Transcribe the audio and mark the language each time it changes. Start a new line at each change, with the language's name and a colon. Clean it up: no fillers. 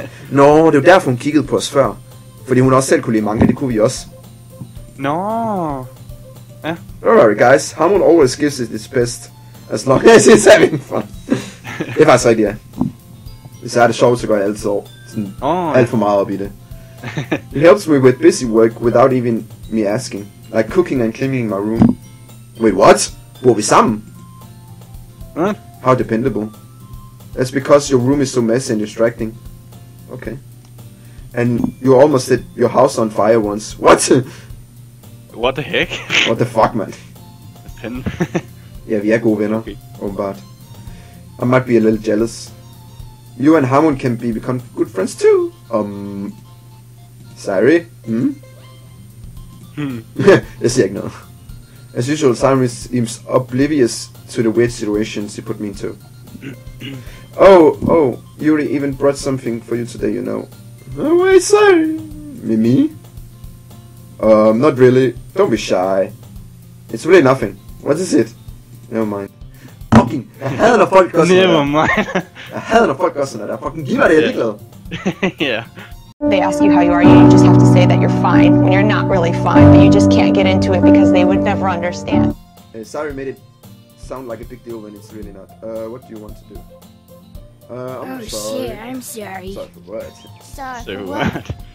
Danish: Nå, det er jo derfor, hun kiggede på os før. Fordi hun også selv kunne lide manga, det kunne vi også. Nå. Ja.
English: Don't worry, guys. Harmon always gives it its best. As long as he's having fun.
Danish: Det er faktisk rigtigt, ja. Hvis jeg er det sjovt, så går jeg altid alt for meget op i det.
English: It helps me with busy work without even me asking. Like cooking and cleaning my room. Wait, what?
Danish: Bor vi sammen? Hvad?
English: How dependable. That's because your room is so messy and distracting. Okay. And you almost set your house on fire once. What? What the heck? What the fuck, man? Depend.
Danish: Ja, vi er gode venner, åbenbart.
English: I might be a little jealous. You and Harmon can become good friends too. Sorry? Hmm?
Danish: Jeg siger ikke noget.
English: As usual, Simon seems oblivious to the weird situations he put me into. Oh, Yuri even brought something for you today, you know. Oh, wait, sorry. Me? Not really. Don't be shy. It's really nothing. What is it? Never mind.
Danish: Fucking, jeg hader når folk gør sådan noget.
English: Never mind.
Danish: Jeg hader når folk gør sådan noget. Fucking, giv mig det, jeg er ligeglad.
English: Yeah. They ask you how you are, you just have to say that you're fine, when you're not really fine, but you just can't get into it because they would never understand. Sari made it sound like a big deal when it's really not. What do you want to do? I'm sorry. Sorry for what?